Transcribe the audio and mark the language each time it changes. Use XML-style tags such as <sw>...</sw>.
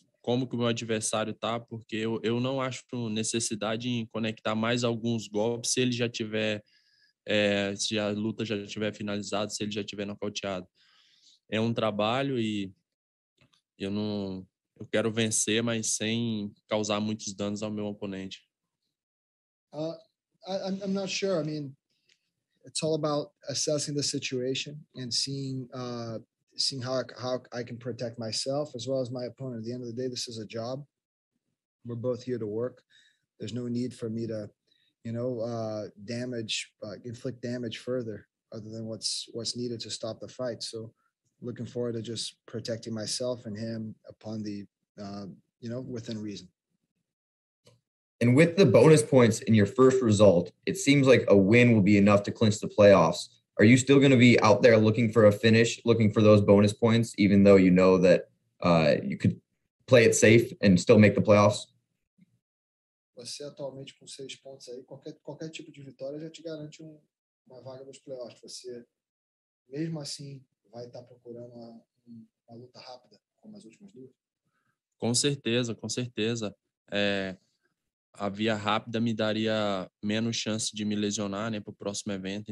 <pt>Como que o meu adversário tá, porque eu não acho necessidade em conectar mais alguns golpes se ele já tiver, se a luta já tiver finalizada, se ele já tiver nocauteado. É um trabalho e eu quero vencer, mas sem causar muitos danos ao meu oponente.</pt> <en>I'm not sure. I mean, it's all about assessing the situation and seeing how I can protect myself as well as my opponent. At the end of the day, this is a job. We're both here to work. There's no need for me to, you know, inflict damage further other than what's needed to stop the fight. So looking forward to just protecting myself and him upon the, you know, within reason. And with the bonus points in your first result, it seems like a win will be enough to clinch the playoffs. Are you still going to be out there looking for a finish, looking for those bonus points, even though you know that you could play it safe and still make the playoffs?</en> <pt>Você atualmente com 6 pontos aí, qualquer tipo de vitória já te garante uma vaga nos playoffs. Você, mesmo assim, vai estar procurando uma luta rápida, como as últimas duas? Com certeza, com certeza. A via rápida me daria menos chance de me lesionar, né, para o próximo evento.</pt>